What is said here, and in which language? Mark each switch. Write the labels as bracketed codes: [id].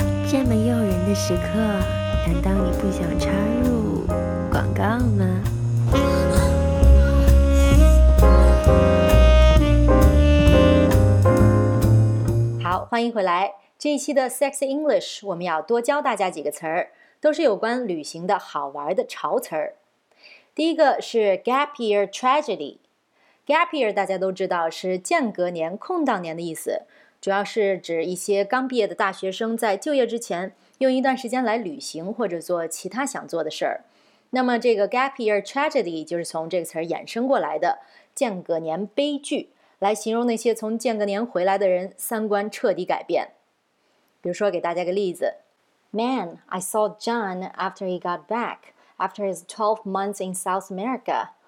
[zh] 这么诱人的时刻，难道你不想插入广告吗？欢迎回来，这一期的 Sexy English 我们要多教大家几个词儿。都是有关旅行的好玩的潮词儿。第一个是 gap year tragedy。 gap year 大家都知道是间隔年、空档年的意思，主要是指一些刚毕业的大学生在就业之前用一段时间来旅行或者做其他想做的事儿。那么这个 gap year tragedy 就是从这个词儿衍生过来的，间隔年悲剧，来形容那些从间隔年回来的人三观彻底改变。 [en] 比如说给大家个例子， Man, I saw John after he got back, after his 12 months in South America.